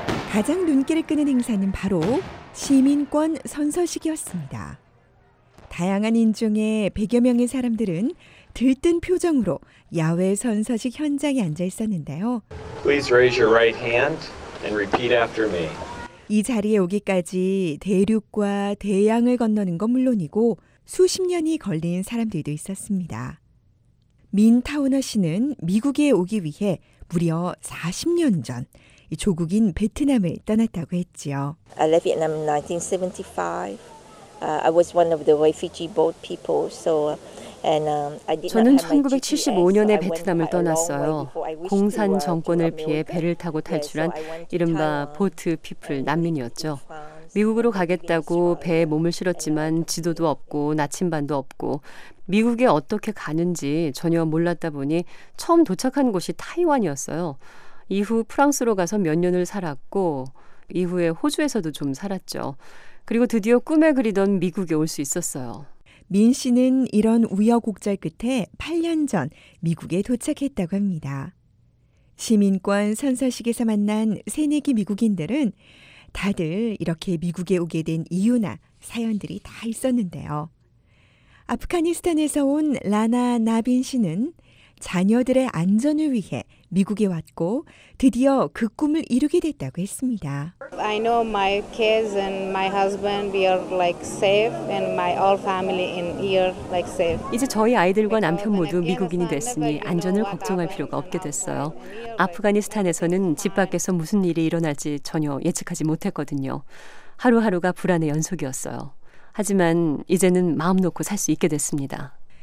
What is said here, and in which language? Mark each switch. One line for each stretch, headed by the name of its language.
Korean: 가장 눈길을 끄는 행사는 바로 시민권 선서식이었습니다. 다양한 인종의 100여 명의 사람들은 들뜬 표정으로 야외 선서식 현장에 앉아 있었는데요.
English: Please raise your right hand and repeat after me.
Korean: 이 자리에 오기까지 대륙과 대양을 건너는 건 물론이고 수십 년이 걸린 사람들도 있었습니다. 민 타우너 씨는 미국에 오기 위해 무려 40년 전 조국인 베트남을 떠났다고 했지요.
English: I left Vietnam in 1975. I was one of the refugee boat people. So and I did.
Korean: 저는 1975년에 베트남을 떠났어요. 공산 정권을 피해 배를 타고 탈출한 이른바 보트 피플 난민이었죠. 미국으로 가겠다고 배에 몸을 실었지만 지도도 없고 나침반도 없고 미국에 어떻게 가는지 전혀 몰랐다 보니 처음 도착한 곳이 타이완이었어요. 이후 프랑스로 가서 몇 년을 살았고 이후에 호주에서도 좀 살았죠. 그리고 드디어 꿈에 그리던 미국에 올 수 있었어요. 민 씨는 이런 우여곡절 끝에 8년 전 미국에 도착했다고 합니다. 시민권 선서식에서 만난 새내기 미국인들은 다들 이렇게 미국에 오게 된 이유나 사연들이 다 있었는데요. 아프가니스탄에서 온 라나 나빈 씨는 자녀들의 안전을 위해 미국에 왔고 드디어 그 꿈을 이루게 됐다고 했습니다.
English: I know my kids and my husband we are like safe and my all family in here like safe.
Korean: 이제 저희 아이들과 남편 모두 미국인이 됐으니 안전을 걱정할 필요가 없게 됐어요. 아프가니스탄에서는 집 밖에서 무슨 일이 일어날지 전혀 예측하지 못했거든요. 하루하루가 불안의 연속이었어요. 하지만 이제는 마음 놓고 살 수 있게 됐습니다.